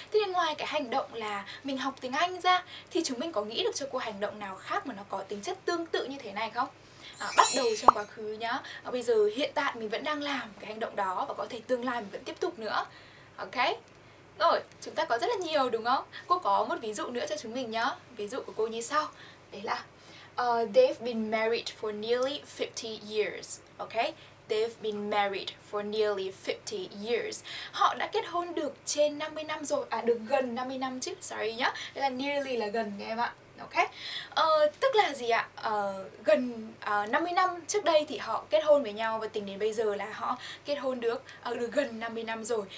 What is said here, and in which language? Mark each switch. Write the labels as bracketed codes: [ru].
[vi] Thế thì ngoài cái hành động là mình học tiếng Anh ra, thì chúng mình có nghĩ được cho cô hành động nào khác mà nó có tính chất tương tự như thế này không? Bắt đầu trong quá khứ nhá. Bây giờ hiện tại mình vẫn đang làm cái hành động đó và có thể tương lai mình vẫn tiếp tục nữa. Ok? Rồi, chúng ta có rất là nhiều đúng không? Cô có một ví dụ nữa cho chúng mình nhá. Ví dụ của cô như sau. Đấy là [en] they've been married for nearly 50 years. Ok? They've been married for nearly 50 years. [vi] Họ đã kết hôn được trên 50 năm rồi. À, được gần 50 năm chứ. Sorry nhá. Đây là nearly là gần các em ạ. Ok. Tức là gì ạ? Gần 50 năm trước đây thì họ kết hôn với nhau và tính đến bây giờ là họ kết hôn được gần 50 năm rồi.